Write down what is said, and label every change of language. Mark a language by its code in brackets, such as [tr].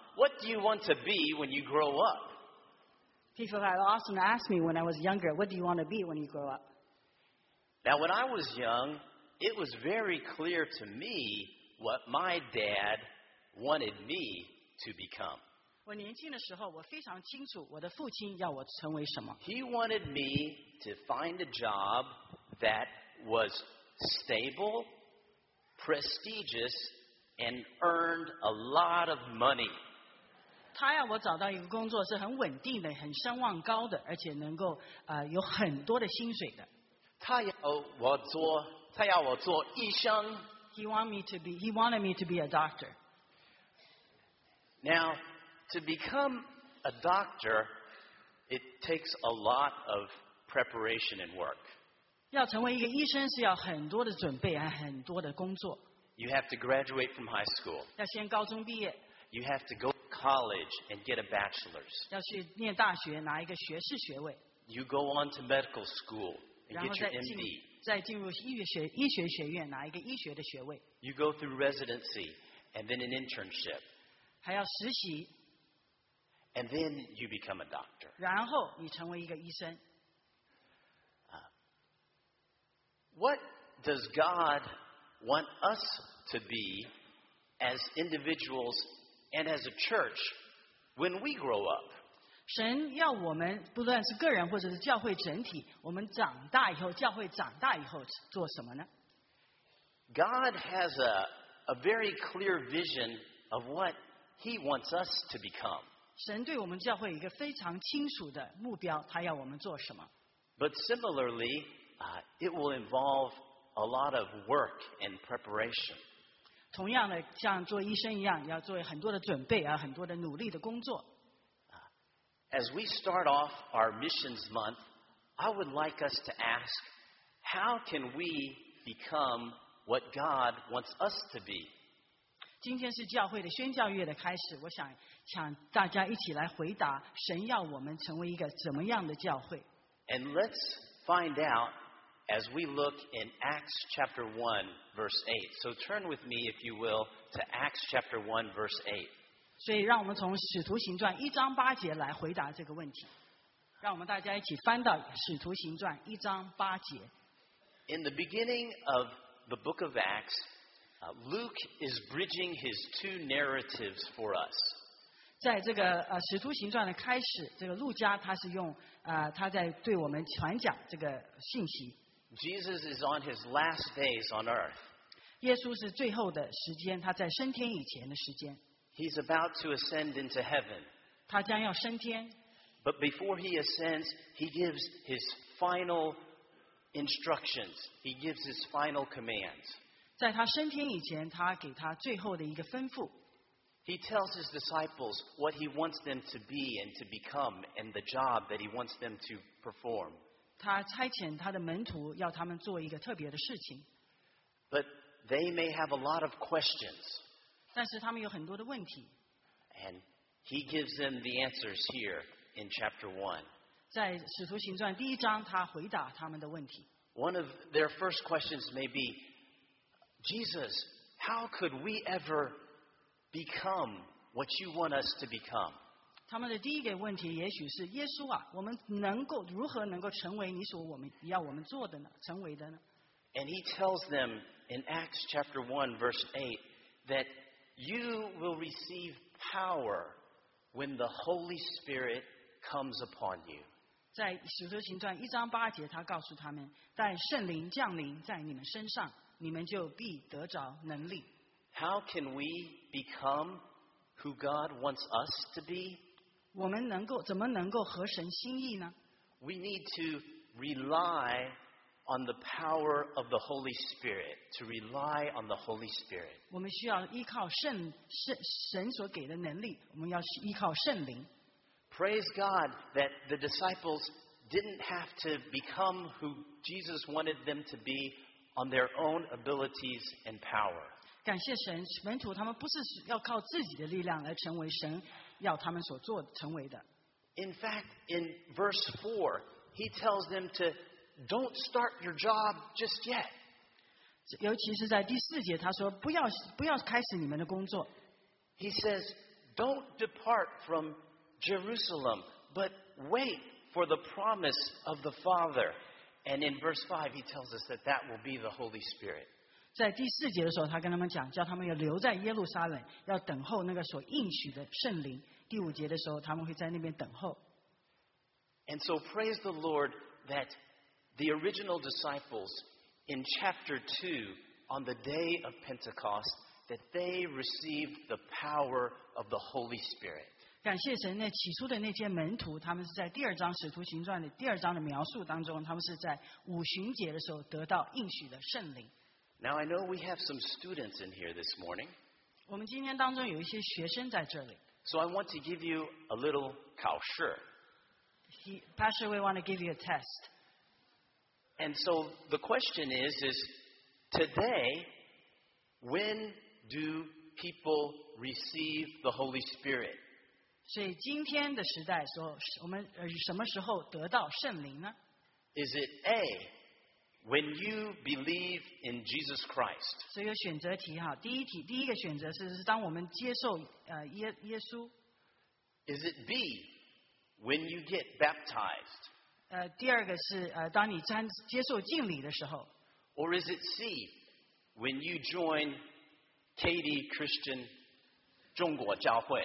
[en] What do you want to be when you grow up? People have often asked me when I was younger, what do you want to be when you grow up? Now, when I was young, it was very clear to me what my dad wanted me to become. [zh] 我年轻的时候，我非常清楚我的父亲要我成为什么。 [en] He wanted me to find a job that was stable, prestigious, and earned a lot of money. [zh] 他要我找到一个工作是很稳定的，很声望高的，而且能够有很多的薪水的。他要我做医生。 [en] He wanted me to be a doctor. Now, to become a doctor, it takes a lot of preparation and work. [zh] 要成为一个医生是要很多的准备，很多的工作。 [en] You have to graduate from high school. [zh] 要先高中毕业。 [en] You have to go college and get a bachelor's. [zh] 要去念大学拿一个学士学位。 [en] You go on to medical school and get your MD. [zh] 再进入医学学院拿一个医学的学位。 [en] You go through residency and then an internship. [zh] 还要实习。 [en] And then you become a doctor. [zh] 然后你成为一个医生。 [en] What does God want us to be as individuals? And as a church, when we grow up, [zh] 神要我们不论是个人或者是教会整体，我们长大以后，教会长大以后做什么呢？ [en] God has a very clear vision of what He wants us to become. [zh] 神对我们教会一个非常清楚的目标，他要我们做什么？ [en] But similarly, it will involve a lot of work and preparation. [zh] 同样的，像做医生一样，要做很多的准备啊，很多的努力的工作。 [en] As we start off our missions month, I would like us to ask, how can we become what God wants us to be? [zh] 今天是教会的宣教月的开始，我想大家一起来回答，神要我们成为一个怎么样的教会 [en] ？And let's find out. As we look in Acts chapter 1, verse 8. So turn with me, if you will, to Acts chapter 1, verse 8. [zh] 所以让我们从使徒行传一章八节来回答这个问题。让我们大家一起翻到使徒行传一章八节。 [en] In the beginning of the book of Acts, Luke is bridging his two narratives for us. [zh] 在这个使徒行传的开始，这个路加他是用他在对我们传讲这个信息。 [en] Jesus is on his last days on earth. [zh] 耶稣是最后的时间，他在升天以前的时间。 [en] He's about to ascend into heaven. [zh] 他将要升天。 [en] But before he ascends, he gives his final instructions. He gives his final commands. [zh] 在他升天以前，他给他最后的一个吩咐。 [en] He tells his disciples what he wants them to be and to become and the job that he wants them to perform. [zh] 他差遣他的门徒要他们做一个特别的事情。 [en] But they may have a lot of questions. [zh] 但是他们有很多的问题。 [en] And he gives them the answers here in chapter 1. [zh] 在使徒行传第一章他回答他们的问题。 [en] One of their first questions may be, Jesus, how could we ever... Become what you want us to become. [zh] 他们的第一个问题也许是耶稣啊，我们如何能够成为你所我们要我们做的呢？成为的呢 [en] ？And he tells them in Acts chapter 1 verse 8 that you will receive power when the Holy Spirit comes upon you. [zh] 在使徒行传一章八节，他告诉他们，待圣灵降临在你们身上，你们就必得着能力。 [en] How can we become who God wants us to be? [zh] 我们怎么能够合神心意呢？ [en] We need to rely on the power of the Holy Spirit. To rely on the Holy Spirit. [zh] 我们需要依靠神所给的能力，我们要依靠圣灵。 [en] Praise God that the disciples didn't have to become who Jesus wanted them to be on their own abilities and power. [zh] 感谢神，门徒他们不是要靠自己的力量来成为神要他们所做成为的。 [en] In fact, in verse 4, he tells them to don't start your job just yet. [zh] 尤其是在第四节他说不要开始你们的工作。 [en] He says, don't depart from Jerusalem, but wait for the promise of the Father. And in verse 5, he tells us that that will be the Holy Spirit. [zh] 在第四节的时候他跟他们讲叫他们要留在耶路撒冷要等候那个所应许的圣灵。第五节的时候他们会在那边等候。 [en] And so praise the Lord that the original disciples in chapter 2 on the day of Pentecost that they received the power of the Holy Spirit. [zh] 感谢神那起初的那些门徒他们是在第二章使徒行传的第二章的描述当中他们是在五旬节的时候得到应许的圣灵。 [en] Now I know we have some students in here this morning. [zh] 我们今天当中有一些学生在这里。 [en] So I want to give you a little [zh] 考试. [en] Pastor, we want to give you a test. And so the question is today, when do people receive the Holy Spirit? [zh] 所以今天的时代说，我们什么时候得到圣灵呢？ [en] Is it A, when you believe in Jesus Christ? [zh] 所以有选择题哈，第一题第一个选择是当我们接受耶稣。 [en] Is it B, when you get baptized? [zh] 第二个是当你接受浸礼的时候。 [en] Or is it C, when you join Katie Christian [zh] 中国教会？